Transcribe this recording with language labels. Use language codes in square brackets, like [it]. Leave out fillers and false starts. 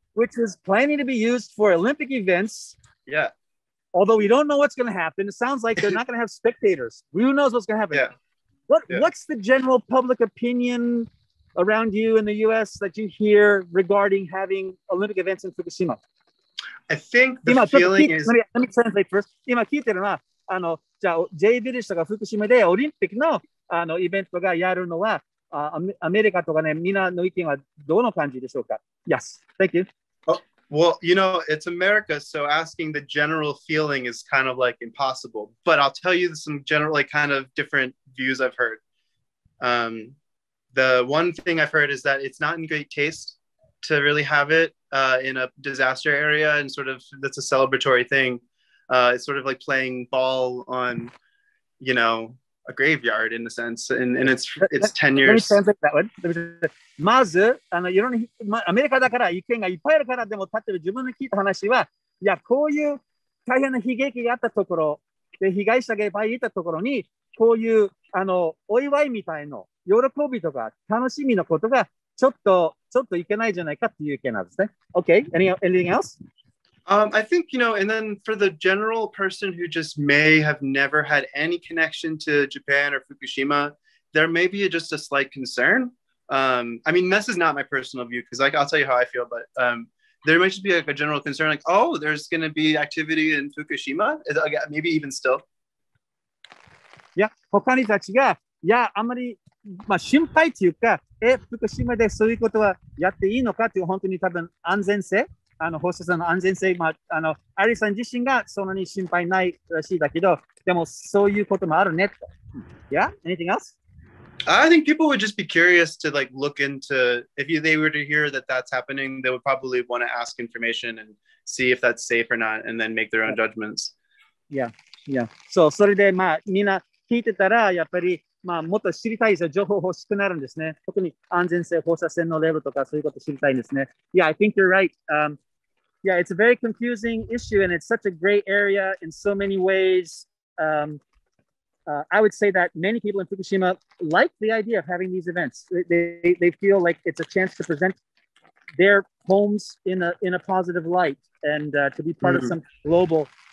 [en] Which is planning to be used for Olympic events. Yeah. Although we don't know what's going to happen. It sounds like they're not going to have spectators. Who knows what's going to happen? Yeah. What's the general public opinion around you in the U.S. that you hear regarding having Olympic events in Fukushima? I think the feeling is... Let me translate first. [ja] 今聞いてるのは、あの、じゃあ、J Village とか福島でオリンピックの、あの、イベントがやるのは、アメリカとかね、みんなの意見はどの感じでしょうか? [en] Yes, thank you. Oh, well, you know, it's America, so asking the general feeling is kind of like impossible. But I'll tell you some general, like, kind of different views I've heard. The one thing I've heard is that it's not in great taste to really have it in a disaster area, and sort of that's a celebratory thing. It's sort of like playing ball on, you know, a graveyard in a sense. And it's 10 years. Let me translate that one. [ja] まず、あの、いろんな、ま、アメリカだから意見がいっぱいあるからでも、例えば自分の聞いた話は、いや、こういう大変な悲劇があったところで、被害者がいっぱいいたところに、こういう、あの、お祝いみたいの、喜びとか楽しみのことがちょっといけないじゃないかっていう意見なんですね。 [en] Okay, anything else? I think, you know, and then for the general person who just may have never had any connection to Japan or Fukushima, there may be just a slight concern. I mean, this is not my personal view, because like, I'll tell you how I feel, but there might just be like a general concern, like, oh, there's going to be activity in Fukushima, maybe even still. [ja] Yeah, 他にたちが、いや、あんまり、まあ、心配というか、え、福島でそういうことはやっていいのかという、本当に多分安全性、あの、放射線の安全性、まあ、あの、アリさん自身がそんなに心配ないらしいだけど、でもそういうこともあるねと。 [en] Yeah? Anything else? I think people would just be curious to, like, look into, if they were to hear that that's happening, they would probably want to ask information and see if that's safe or not, and then make their own judgments. Yeah, yeah. [ja] So, それで、まあ、みんな聞いてたら、やっぱり、まあ、もっと知りたいですよ。情報欲しくなるんですね。特に安全性、放射線のレベルとかそういうこと知りたいんですね。 [en] Yeah, I think you're right. Yeah, it's a very confusing issue and it's such a gray area in so many ways. I would say that many people in Fukushima like the idea of having these events. They feel like it's a chance to present their homes in a positive light and to be part of some global.